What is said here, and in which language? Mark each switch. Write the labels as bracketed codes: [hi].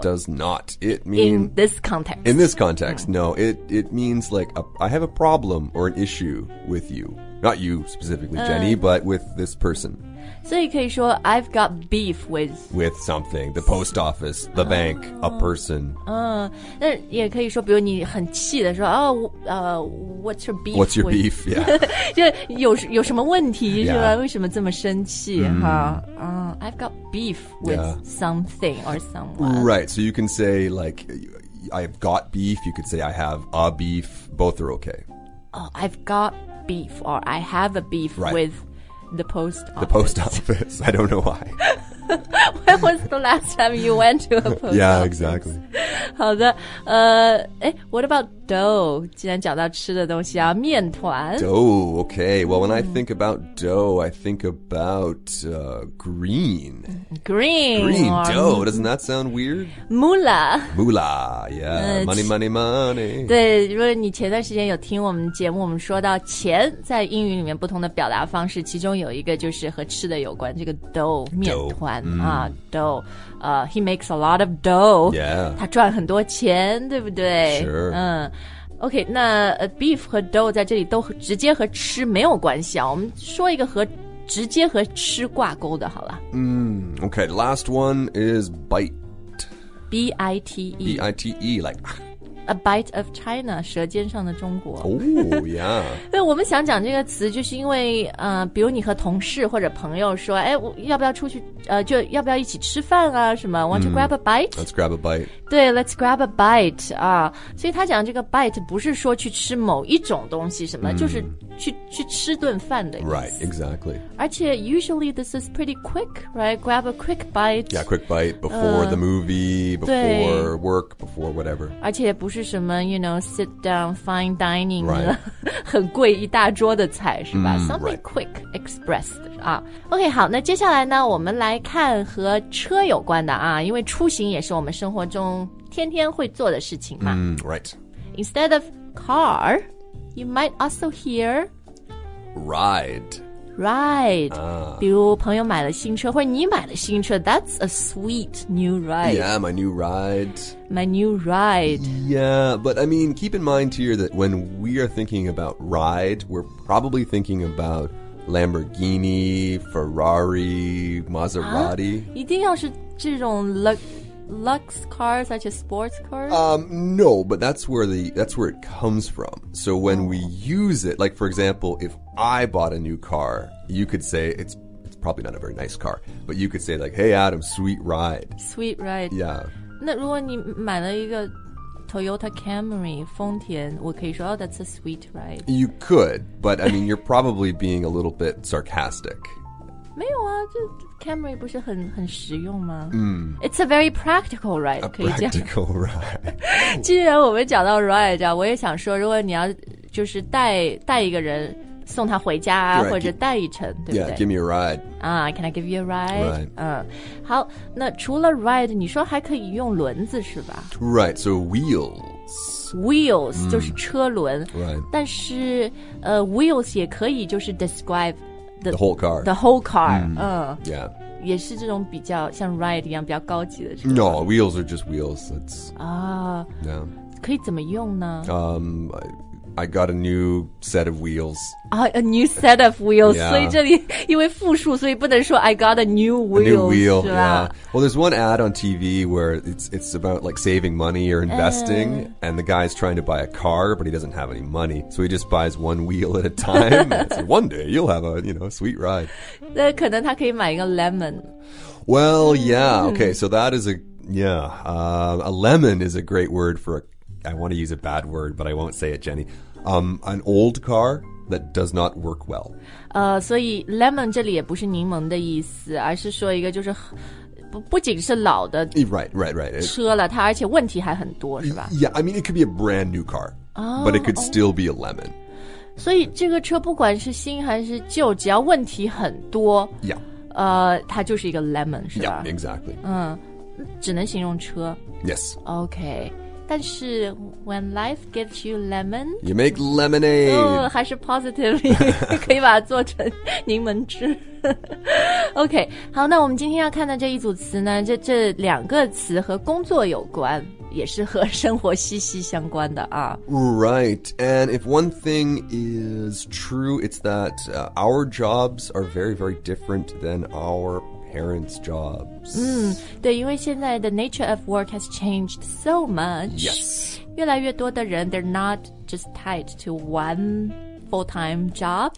[en] It does not It means In this context In this context,、no It means like I have a problem or an issue with you Not you specifically, Jenny、but with this person [zh] 所以可以说 [en] I've got beef with With something The post office The bank A person [zh] 那也可以说比如你很气的说哦、 [en] What's your beef What's your beef with, Yeah [zh] 就有什么问题、是吧为什么这么生气、 [en] I've got beef with、something or someone Right, so you can say like I've got beef You could say I have a beef Both are okay I've got beef or I have a beef、 right. with the post office. The post office. I don't know why. When was the last time you went to a post office? Yeah, exactly. [zh] 好的、 [en] what about dough? [zh] 既然讲到吃的东西啊面团。 [en] Dough, okay. Well, when I think about dough, I think about green. Green. Green dough. Doesn't that sound weird? Moolah. Moolah, yeah. Money, money, money. [zh] 对如果你前段时间有听我们节目我们说到钱在英语里面不同的表达方式其中有一个就是和吃的有关这个 dough, 面团。 [en] Dough. He makes a lot of dough. Yeah. [zh] 他赚很多钱对不对 [en] Sure. [zh] OK, 那 beef 和 dough 在这里都直接和吃没有关系啊。我们说一个和直接和吃挂钩的好了。 [en] OK, last one is bite. B-I-T-E. B-I-T-E, like... A bite of China, [zh] 舌尖上的中国。 [en] Oh, yeah. [zh] 对，我们想讲这个词，就是因为，比如你和同事或者朋友说，哎，要不要出去，就要不要一起吃饭啊？什么 [en] ？Want to grab a bite? Let's grab a bite. [zh] 对 [en] ，Let's grab a bite. [zh] 所以他讲这个 bite 不是说去吃某一种东西什么，就是去吃顿饭的意思。 [en] Right, exactly. [zh] 而且 [en] usually this is pretty quick, right? Grab a quick bite. Yeah, quick bite before the movie, before work, before whatever. [zh] 而且不是什么 [en] you know, sit down, fine dining、 right. [zh] 很贵一大桌的菜是吧 something、 [en] right. quick, express [zh] 的、OK, 好那接下来呢我们来看和车有关的啊因为出行也是我们生活中天天会做的事情嘛、 [en] Right. Instead of car, you might also hear ride. [zh] Ride,、比如朋友买了新车，或者你买了新车 ， [en] That's a sweet new ride. Yeah, my new ride. My new ride. Yeah, but I mean, keep in mind here that when we are thinking about ride, we're probably thinking about Lamborghini, Ferrari, Maserati.、 [zh] 一定要是这种 [en] lux cars, such as sports cars. No, but that's where it comes from. So when we use it, like for example, if I bought a new car, you could say it's probably not a very nice car, but you could say like, "Hey, Adam, sweet ride." Sweet ride. Yeah. [zh] 那如果你买了一个 Toyota Camry, 丰田，我可以说 [en] "Oh, that's a sweet ride." You could, but I mean, you're probably being a little bit sarcastic. [zh] 没有啊，就 Camry 不是很实用吗？ [en] It's a very practical ride. A practical ride. [zh] 既然我们讲到 ride 啊，我也想说，如果你要就是带一个人。送他回家、 [en] right. [zh] 或者带一程对不对 [en] Yeah, give me a ride. Can I give you a ride? Right.、 [zh] 好那除了 ride, 你说还可以用轮子是吧 [en] Right, so wheels. [zh] Wheels,、就是车轮。 [en] Right. [zh] 但是、wheels 也可以就是 describe [en] the whole car. The whole car.、 Yeah. [zh] 也是这种比较像 ride 一样比较高级的车。 [en] No, wheels are just wheels. [zh] Yeah. 可以怎么用呢 [en] I got a new set of wheels. A new set of wheels. [zh] 、yeah. 所以这里因为复数所以不能说 [en] I got a new wheel. A new wheel, yeah. Well, there's one ad on TV where it's about like saving money or investing, and the guy's trying to buy a car, but he doesn't have any money. So he just buys one wheel at a time. So one day you'll have a, you know, sweet ride. [zh] 那可能他可以买一个 lemon. [en] Well, yeah. Okay, so that is a, yeah. A lemon is a great word for aI want to use a bad word, but I won't say it, Jenny. An old car that does not work well. [zh] 所以 lemon 这里也不是柠檬的意思，而是说一个就是不仅是老的 [en] right. [zh] 车了，它而且问题还很多，是吧？ [en] Yeah, I mean, it could be a brand new car, but it could still be a lemon. [zh] 所以这个车不管是新还是旧，只要问题很多， [en] yeah. [zh] 它就是一个 lemon, 是吧？ [en] Yeah, exactly. [zh] 只能形容车。 [en] Yes. Okay. [zh] 但是 [en] when life gives you lemon, you make lemonade. [zh] 还是 positively, 可以把它做成柠檬汁。 OK, 好，那我们今天要看的这一组词呢，这两个词和工作有关，也是和生活息息相关的啊。 [en] Right, and if one thing is true, it's that our jobs are very, very different than our parents' jobs. [zh] 对，因为现在 [en] the nature of work has changed so much. Yes. [zh] 越来越多的人 [en] they're not just tied to one full-time job.